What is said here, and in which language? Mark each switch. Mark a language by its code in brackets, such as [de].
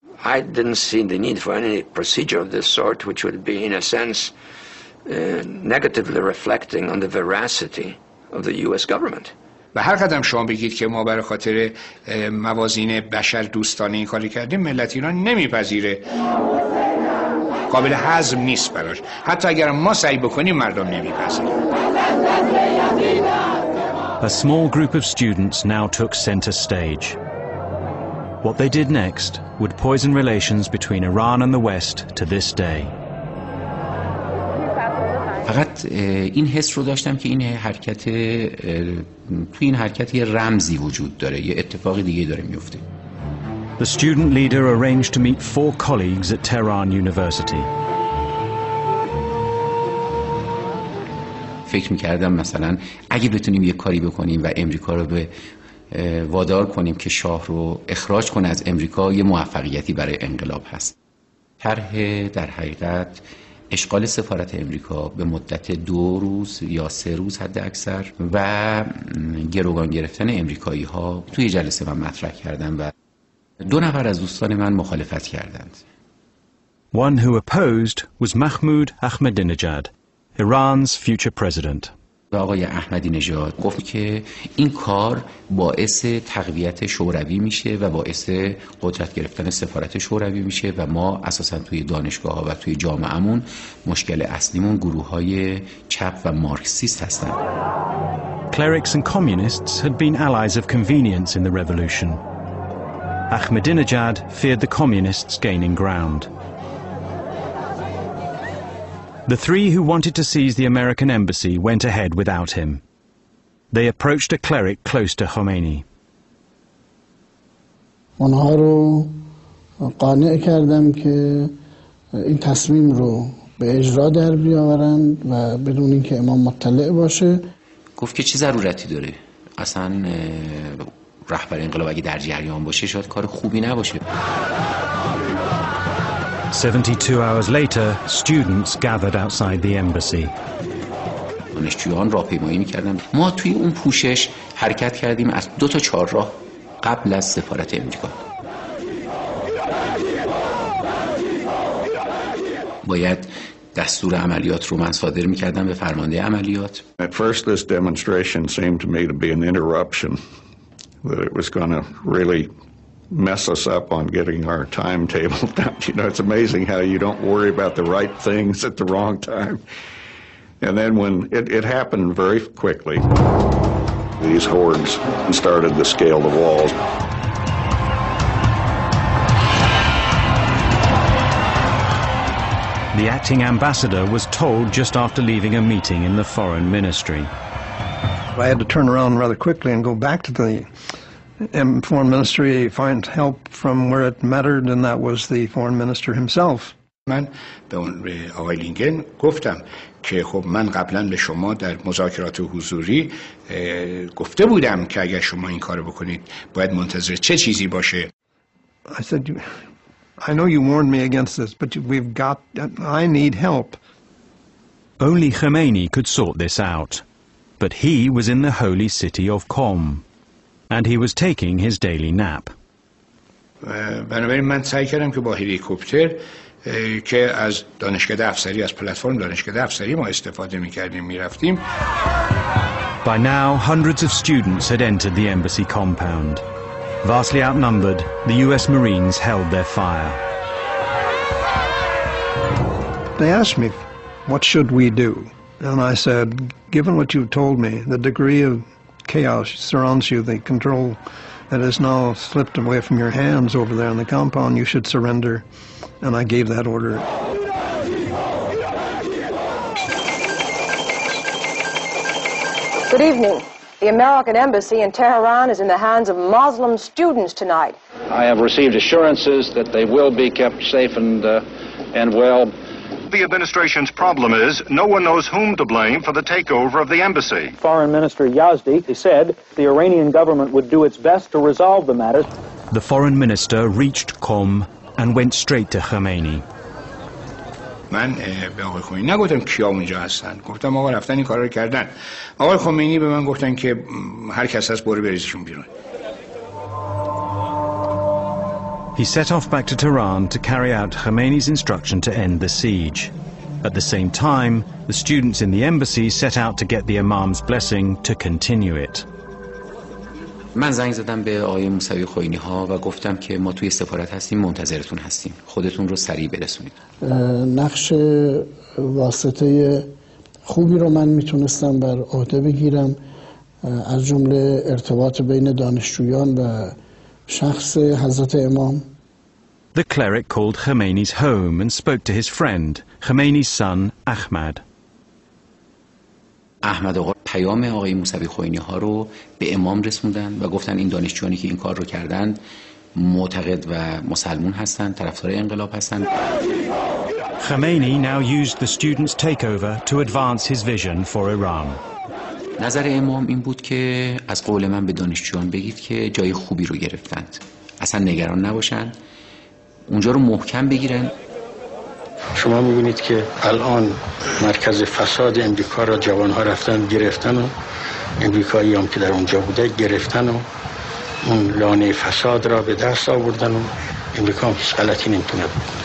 [en] I didn't see the need for any procedure of this sort, which would be in a sense negatively reflecting on the veracity of the US government. [fa] به هر قدم شما بگید که ما برای خاطر موازین بشر دوستانه این کاری کردیم، ملت ایران نمیپذیره. قابل هضم نیست براش. حتی اگر ما سعی بکنیم مردم نمیپذیرن. [en] A small group of students now took center stage. What they did next would poison relations between Iran and the West to this day. [fa] فقط این حس رو داشتم که این حرکت توی این حرکت یه رمزی وجود داره، یه اتفاق دیگه داره میفته. [en] The student leader arranged to meet four colleagues at Tehran University. [fa] فکر میکردم مثلا اگه بتونیم یه کاری بکنیم و امریکا رو به وادار کنیم که شاه رو اخراج کنه از امریکا، یه موفقیتی برای انقلاب هست. طرح در حقیقت اشغال سفارت امریکا به مدت 2 روز یا 3 روز حد اکثر و گروگان گرفتن امریکایی ها توی جلسه من مطرح کردم و 2 نفر از دوستان من مخالفت کردند. [en] One who opposed was Mahmoud Ahmadinejad, Iran's future president. [fa] آقای احمدی نژاد گفت که این کار باعث تقویت شوروی میشه و باعث قدرت گرفتن سفارت شوروی میشه و ما اساسا توی دانشگاه ها و توی جامعهمون مشکل اصلیمون گروه های چپ و مارکسیست هستن. [en] Clerics and communists had been allies of convenience in the revolution. Ahmadinejad feared the communists gaining ground. The three who wanted to seize the American embassy went ahead without him. They approached a cleric close to Khomeini. [fa] اونها رو قانع کردم که این تصمیم رو به اجرا در بیاورن و بدون اینکه امام مطلع باشه. گفت که چه ضرورتی داره؟ اصلا رهبر انقلاب اگه در جریان باشه شاید کار خوبی نباشه. [en] 72 hours later, students gathered outside the embassy. [fa] دانشجویان راهپیمایی می‌کردن. ما توی اون پوشش حرکت کردیم از 2 تا 4 راه قبل از سفارت امریکا. باید دستور عملیات رو من صادر می‌کردم به فرمانده عملیات. [en] At first this demonstration seemed to me to be an interruption, that it was going to really mess us up on getting our timetable down. You know, it's amazing how you don't worry about the right things at the wrong time. And then when it happened very quickly, these hordes started to scale the walls. The acting ambassador was told just after leaving a meeting in the foreign ministry. I had to turn around rather quickly and go back to the foreign ministry, find help from where it mattered, and that was the foreign minister himself. [fa] من به آقای لینکن گفتم که خب من قبلا به شما در مذاکرات حضوری گفته بودم که اگر شما این کار بکنید باید منتظر چه چیزی باشه. [en] I said, I know you warned me against this, but I need help. Only Khomeini could sort this out, but he was in the holy city of Qom. And he was taking his daily nap. [fa] بنابراین من سعی کردم که با هلیکوپتر که از دانشکده افسری، از پلتفرم دانشکده افسری ما استفاده میکردیم میرفتیم. [en] By now, hundreds of students had entered the embassy compound. Vastly outnumbered, the US Marines held their fire. They asked me, what should we do? And I said, given what you've told me, the degree of chaos surrounds you, the control that has now slipped away from your hands over there in the compound, you should surrender. And I gave that order. Good evening. The American Embassy in Tehran is in the hands of Muslim students tonight. I have received assurances that they will be kept safe and well. The administration's problem is no one knows whom to blame for the takeover of the embassy. Foreign Minister Yazdi said the Iranian government would do its best to resolve the matter. The foreign minister reached Qom and went straight to Khomeini. [fa] من به آقای خمینی نگفتم کیا اونجا هستن، گفتم آقا رفتن این کار رو کردن. آقای خمینی به من گفتن که هر کس هست برو بریزشون بیرون. [en] He set off back to Tehran to carry out Khomeini's instruction to end the siege. At the same time, the students in the embassy set out to get the imam's blessing to continue it. [fa] من زنگ زدم به آقای موسوی خوینی ها و گفتم که ما توی سفارت هستیم، منتظرتون هستیم، خودتون رو سریع برسونید. نقش واسطه خوبی رو من میتونستم بر عهده بگیرم، از جمله ارتباط بین دانشجویان و شخص حضرت امام. [en] The cleric called Khomeini's home and spoke to his friend, Khomeini's son, Ahmad. [fa] احمد آقا پیام آقای موسوی خوینی ها رو به امام رسوندن و گفتن این دانشجویانی که این کار رو کردند معتقد و مسلمون هستند، طرفدار انقلاب هستند. [en] Khomeini now used the students takeover to advance his vision for Iran. [fa] نظر امام این بود که از قول من به دانشجویان بگید که جای خوبی رو گرفتند، اصلا نگران نباشند، اونجا رو محکم بگیرن. شما میبینید که الان مرکز فساد امریکا را جوانها رفتن گرفتن و امریکایی هم که در اونجا بوده گرفتن و اون لانه فساد را به دست آوردن و امریکا هم هیچ غلطی نمیتونه بود.